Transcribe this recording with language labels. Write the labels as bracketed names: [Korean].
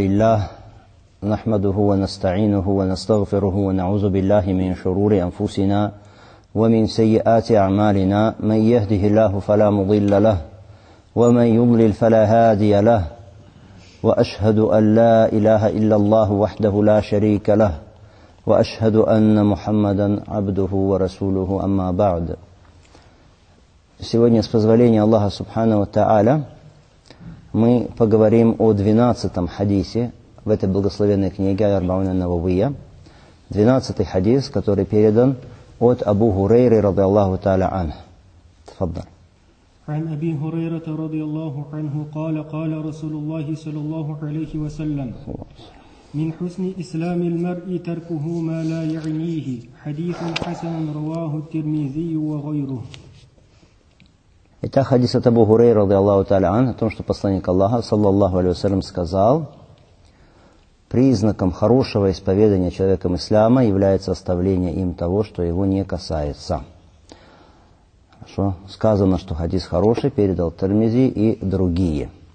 [Arabic] لله نحمده ونستعينه ونستغفره ونعوذ بالله من شرور أنفسنا ومن سيئات أعمالنا، من يهده الله فلا مضل له ومن يضلل فلا هادي له، وأشهد أن لا إله إلا الله وحده لا شريك له، وأشهد أن محمدا عبده ورسوله، أما بعد. [Russian] Сегодня, с позволения Аллаха [Arabic] Субхана ва Тааля, [Russian] мы поговорим о 12-м хадисе в этой благословенной книге Арбауна Нававия. 12-й хадис, который передан от Абу Хурейры [Arabic] радиаллаху тааля анху. Тафаддал. عن أبي هريرة رضي الله عنه قال قال رسول الله صلى الله عليه وسلم من حسن إسلام المرء تركه ما لا يعنيه. حديث حسن رواه الترمذي وغيره. [Russian] Итак, хадис от Абу Хурейры [Arabic] رضي الله تعالى عنه [Russian] о том, что посланник Аллаха [Arabic] صلى الله عليه وسلم [Russian] сказал: признаком хорошего исповедания человеком ислама является оставление им того, что его не касается. Хорошо. Сказано, что хадис хороший, передал Тирмизи и другие.